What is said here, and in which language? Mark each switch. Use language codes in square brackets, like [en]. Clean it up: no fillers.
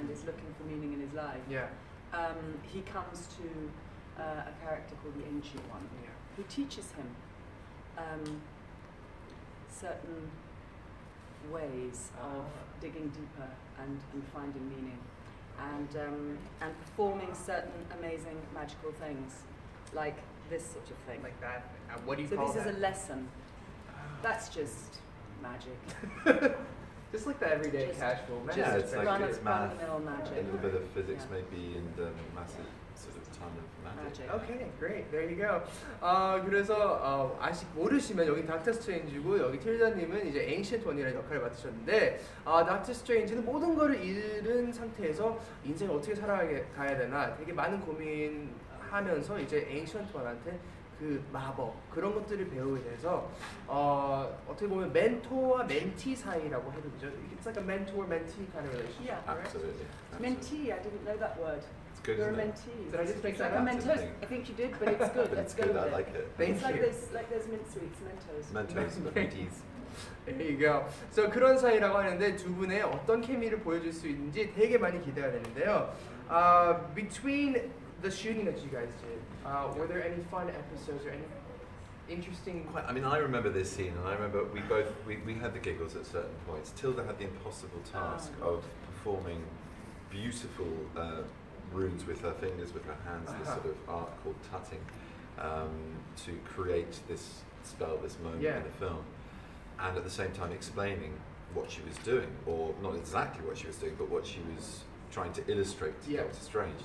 [en] and is looking for meaning in his life, he comes to a character called the Ancient One, who teaches him certain ways of digging deeper and finding meaning, and performing certain amazing magical things, like this sort of thing. Like that. And what do you call that? So this is a lesson. That's just magic. Just like the everyday just, casual magic. Yeah, it's like it's math. Run-of-the-mill magic. A little bit of physics maybe, and massive. Yeah. Sort of ton of magic. Okay, great. There you go. [ko] 그래서 아직 모르시면 여기 닥터 스트레인지고 여기 틸다님은 이제 Ancient One이라는 역할을 맡으셨는데 닥터 스트레인지는 모든 것을 잃은 상태에서 인생을 어떻게 살아가야 되나 되게 많은 고민하면서 이제 Ancient One한테 그 마법 그런 것들을 배우게 돼서 어떻게 보면 멘토와 멘티 사이라고 해도 되죠. [en] It's like a mentor mentee kind of relationship. Yeah, absolutely. Mentee, I didn't know that word. Good, you're a mentee. Did I just think that? Like a Mentos. I think you did, but it's good. But it's good. Go I like it. Thank it's you. Like those mint sweets, Mentos. Mentos, Mentees. There you go. [ko] So 그런 사이라고 하는데 두 분의 어떤 케미를 보여줄 수 있는지 되게 많이 기대가 되는데요. [en] Between the shooting that you guys did, were there any fun episodes or any interesting? Quite. I mean, I remember this scene, and I remember we both had the giggles at certain points. Tilda had the impossible task of performing beautiful. Runes with her fingers, with her hands, this sort of art called tutting, to create this spell, this moment in the film, and at the same time explaining what she was doing, or not exactly what she was doing, but what she was trying to illustrate to Doctor Strange.